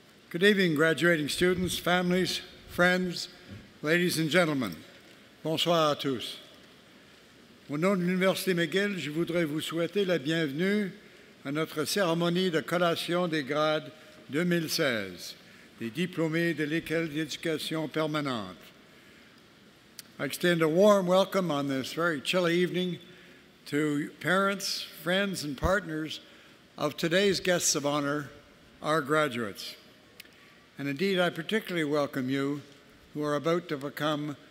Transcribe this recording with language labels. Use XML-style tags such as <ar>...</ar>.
<en>Good evening, graduating students, families, friends, ladies and gentlemen.</en> <fr>Bonsoir à tous. Au nom de l'Université McGill, je voudrais vous souhaiter la bienvenue à notre cérémonie de collation des grades 2016, des diplômés de l'École d'éducation permanente.</fr> <en>I extend a warm welcome on this very chilly evening to parents, friends, and partners of today's guests of honor, our graduates. And indeed, I particularly welcome you who are about to become</en>